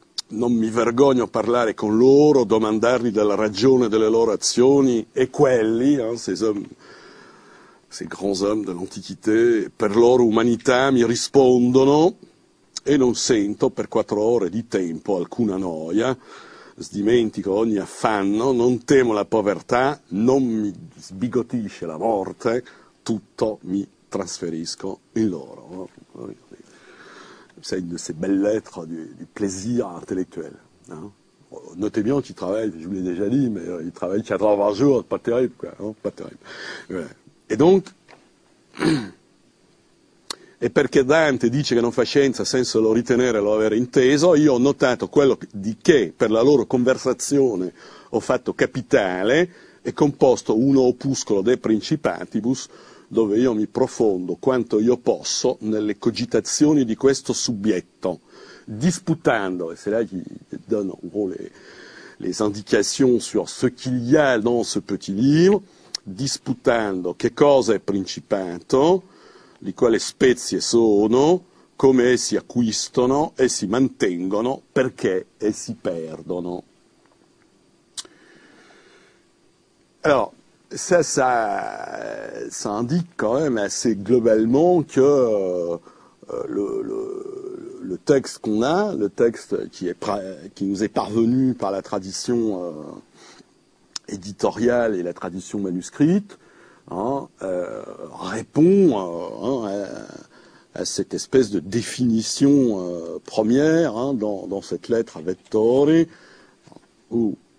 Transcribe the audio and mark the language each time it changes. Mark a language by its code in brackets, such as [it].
[it] Non mi vergogno a parlare con loro, domandargli della ragione delle loro azioni, e quelli, [fr] hein, ces grands hommes de l'Antichité, [it] per loro umanità mi rispondono, e non sento per 4 ore di tempo alcuna noia, sdimentico ogni affanno, non temo la povertà, non mi sbigottisce la morte, tutto mi trasferisco in loro. [fr] C'est une de ces belles lettres du plaisir intellectuel. Hein. Notez bien qu'il travaille, je vous l'ai déjà dit, mais il travaille 4 heures par jour, pas terrible, quoi, hein, pas terrible. Voilà. Et donc, et [it] perché Dante dice che non fa scienza senza lo ritenere lo aver inteso, io ho notato quello di che per la loro conversazione ho fatto capitale e composto uno opuscolo de Principatibus, dove io mi profondo quanto io posso nelle cogitazioni di questo soggetto, disputando, [fr] e c'è là qui donne en gros les indications sur ce qu'il y a dans ce petit livre, [it] disputando che cosa è principato, di quale spezie sono, come essi acquistano e si mantengono, perché essi perdono. [fr] Alors, ça indique quand même assez globalement que le texte qu'on a, le texte qui nous est parvenu par la tradition éditoriale et la tradition manuscrite, hein, répond à cette espèce de définition première hein, dans cette lettre à Vettori où